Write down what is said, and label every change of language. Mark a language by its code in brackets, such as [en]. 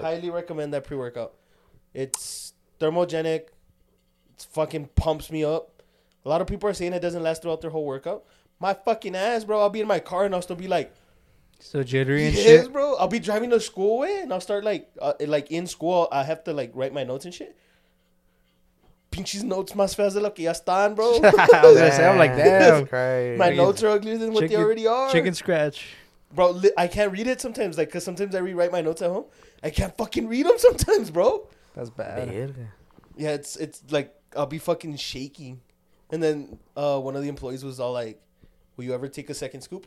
[en] Highly recommend that pre-workout. It's thermogenic. It fucking pumps me up. A lot of people are saying it doesn't last throughout their whole workout. My fucking ass, bro. I'll be in my car and I'll still be like. So jittery and shit? Yes, bro. I'll be driving to school away and I'll start like in school. I have to like write my notes and shit. [es] Pinches notes más feas de lo que ya están, bro. [en] I was going to say, I'm like, damn. Crazy. My notes are uglier than what they already are. Chicken scratch. Bro, I can't read it sometimes. Like, because sometimes I rewrite my notes at home. I can't fucking read them sometimes, bro. That's bad. Yeah, it's like, I'll be fucking shaking. And then one of the employees was all like, will you ever take a second scoop?